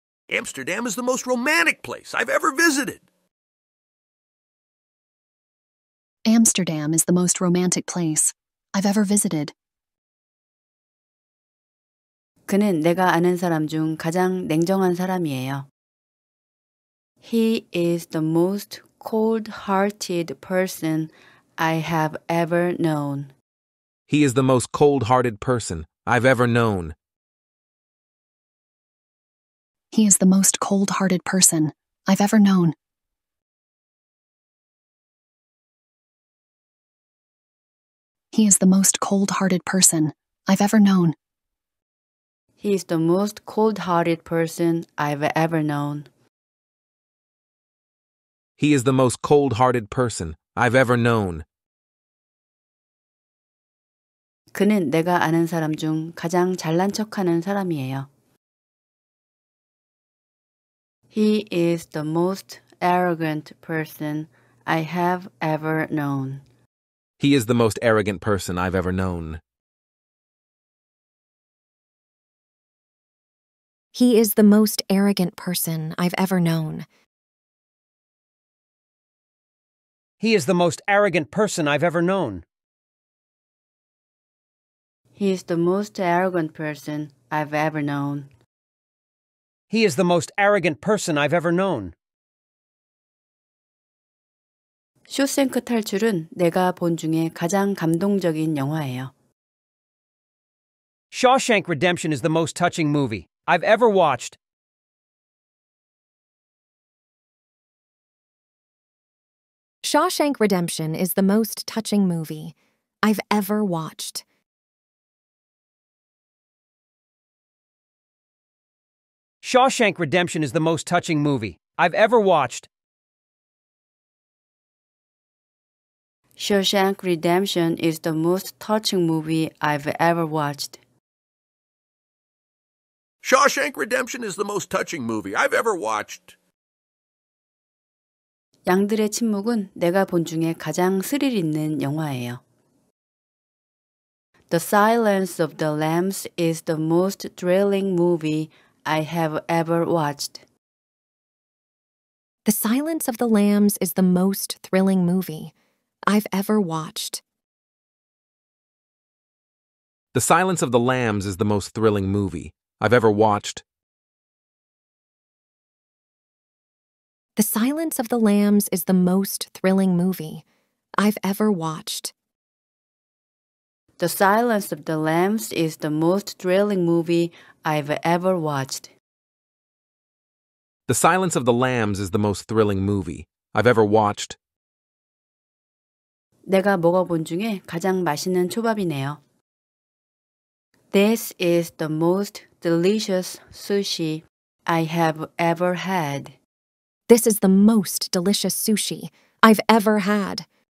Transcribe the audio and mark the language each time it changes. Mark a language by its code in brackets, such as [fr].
[en] Amsterdam is the most romantic place I've ever visited. Amsterdam is the most romantic place I've ever visited. [ko] 그는 내가 아는 사람 중 가장 냉정한 사람이에요. [en] He is the most cold-hearted person I have ever known. He is the most cold-hearted person I've ever known. He is the most cold-hearted person I've ever known. He is the most cold-hearted person I've ever known. He is the most cold-hearted person I've ever known. He is the most cold-hearted person I've ever known. [ko] 그는 내가 아는 사람 중 가장 잘난 척하는 사람이에요. [en] He is the most arrogant person I have ever known. He is the most arrogant person I've ever known. He is the most arrogant person I've ever known. He is the most arrogant person I've ever known. He is the most arrogant person I've ever known. He is the most arrogant person I've ever known. [ko] 쇼생크 탈출은 내가 본 중에 가장 감동적인 영화예요. [en] Shawshank Redemption is the most touching movie I've ever watched. Shawshank Redemption is the most touching movie I've ever watched. Shawshank Redemption is the most touching movie I've ever watched. Shawshank Redemption is the most touching movie I've ever watched. Shawshank Redemption is the most touching movie I've ever watched. [ko] 양들의 침묵은 내가 본 중에 가장 스릴 있는 영화예요. [en] The Silence of the Lambs is the most thrilling movie I have ever watched. The Silence of the Lambs is the most thrilling movie I've ever watched. The Silence of the Lambs is the most thrilling movie I've ever watched. The Silence of the Lambs is the most thrilling movie I've ever watched. The Silence of the Lambs is the most thrilling movie I've ever watched. The Silence of the Lambs is the most thrilling movie I've ever watched. [ko] 내가 먹어본 중에 가장 맛있는 초밥이네요. [en] This is the most delicious sushi I have ever had. This is the most delicious sushi I've ever had.